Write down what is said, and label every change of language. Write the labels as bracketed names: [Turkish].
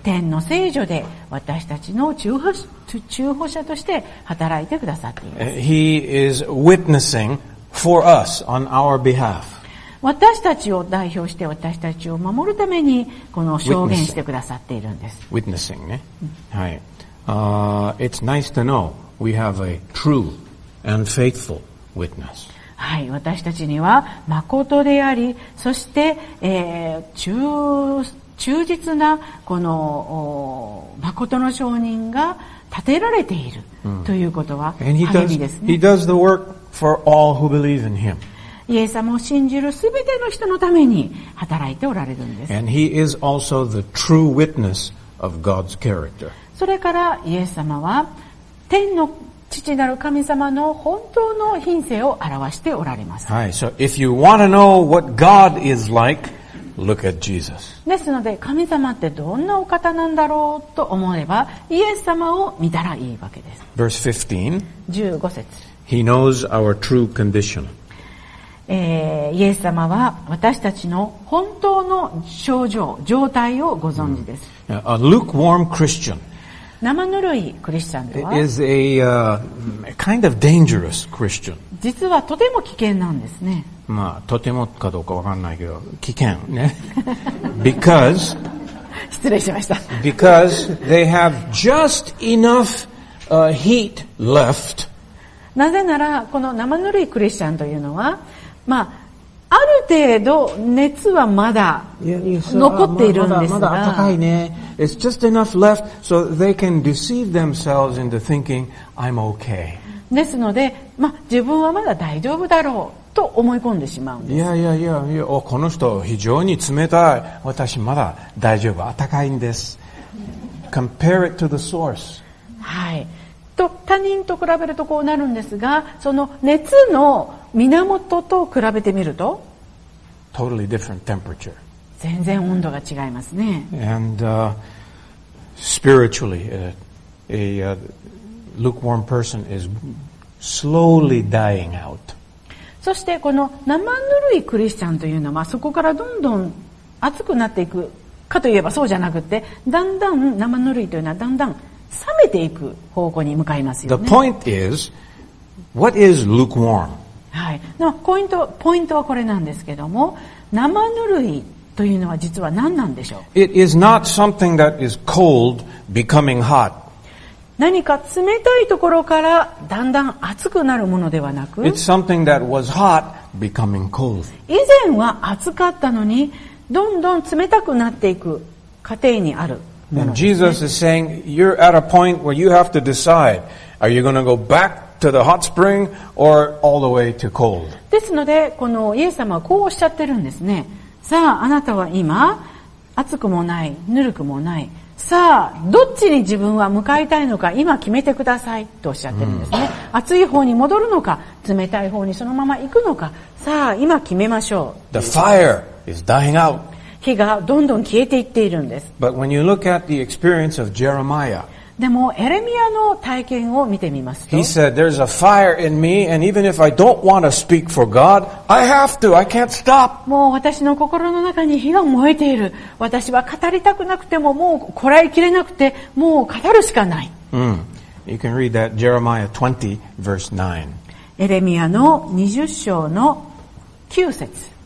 [Japanese] 天の聖所で私たちの中保者として働いてくださっています。 [English] He is witnessing. For us, on our behalf. [Japanese] 私たちを代表して私たちを守るためにこの証言してくださっているんです。 Witnessing ね。はい。 [English] It's nice to know we have a true and faithful witness. [Japanese] はい。私たちには誠であり、そして、忠実なこの誠の証人が立てられているということは励みですね。 [English] And he does the work. For all who believe in him. [Japanese] イエス様を信じるすべての人のために働いておられるんです。 [English] And he is also the true witness of God's character. [Japanese] それからイエス様は天の父なる神様の本当の品性を表しておられます。 [English] はい、so if you want to know what God is like, look at Jesus. [Japanese] ですので神様ってどんなお方なんだろうと思えばイエス様を見たらいいわけです。 [English] Verse 15 [Japanese] 節。 [English] He knows our true condition. [Japanese] イエス様は私たちの本当の症状、状態をご存知です。 [English] A lukewarm Christian. [Japanese] 生ぬるいクリスチャンでは [English] is a kind of dangerous Christian. [Japanese] 実はとても危険なんですね。まあ、とてもかどうかわかんないけど、危険ね。 [English] Because [Japanese] 失礼しました。 [English] Because they have just enough heat left. [Japanese] なぜならこの生ぬるいクリスチャンというのは、まあある程度熱はまだ残っているんですが、まだ暖かいね。 [English] It's just enough left so they can deceive themselves into thinking I'm okay。 [Japanese] ですので、まあ自分はまだ大丈夫だろうと思い込んでしまうんです。いや、この人非常に冷たい。私まだ大丈夫。暖かいんです。 [English] Compare it to the source. [Japanese] はい。と他人と比べるとこうなるんですが、その熱の源と比べてみると、 [English] Totally different temperature. [Japanese] 全然温度が違いますね。 [English] And spiritually, a lukewarm person is slowly dying out. [Japanese] そしてこの生ぬるいクリスチャンというのは、そこからどんどん熱くなっていくかといえばそうじゃなくて、だんだん生ぬるいというのはだんだん冷めていく方向に向かいますよね。 [English] The point is, what is lukewarm? [Japanese] はい。のポイントはこれなんですけども、生ぬるいというのは実は何なんでしょう。 [English] It is not something that is cold becoming hot. [Japanese] 何か冷たいところからだんだん熱くなるものではなく、 [English] It's something that was hot becoming cold. [Japanese] 以前は熱かったのに、どんどん冷たくなっていく過程にある。 [English] And Jesus is saying, you're at a point where you have to decide, are you going to go back to the hot spring or all the way to cold? [Japanese] ですので、このイエス様はこうおっしゃってるんですね。さあ、あなたは今、熱くもない、ぬるくもない。さあ、どっちに自分は向かいたいのか、今決めてくださいとおっしゃってるんですね。熱い方に戻るのか、冷たい方にそのまま行くのか、さあ、今決めましょう。 [English] The fire is dying out. [Japanese] 火がどんどん消えていっているんです。 [English] But when you look at the experience of Jeremiah, [Japanese] でもエレミアの体験を見てみますと、 [English] He said, "There's a fire in me, and even if I don't want to speak for God, I have to. I can't stop." [Japanese] もう私の心の中に火が燃えている。私は語りたくなくてももうこらえきれなくてもう語るしかない。 [English] You can read that Jeremiah 20 verse 9. [Japanese] エレミアの20章の9節。